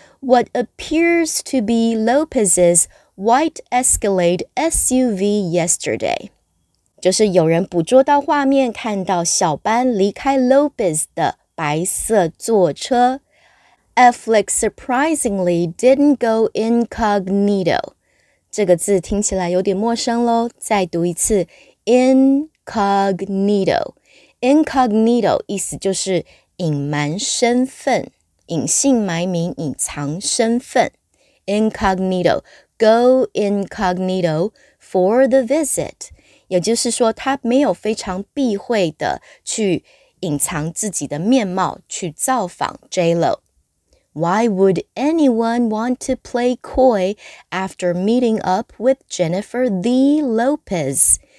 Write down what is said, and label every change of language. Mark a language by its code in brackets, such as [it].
[en] What appears to be Lopez's white Escalade SUV yesterday. [zh] 就是有人捕捉到画面，看到小班离开 Lopez 的白色坐车。 [en] Affleck surprisingly didn't go incognito， [zh] 这个字听起来有点陌生咯，再读一次 incognito。 incognito 意思就是隐瞒身份，隐姓埋名，隐藏身份。 incognito [en] go incognito for the visit. [zh] 也就是说他没有非常避讳的去隐藏自己的面貌去造访 J-Lo. [en] Why would anyone want to play coy after meeting up with Jennifer the Lopez?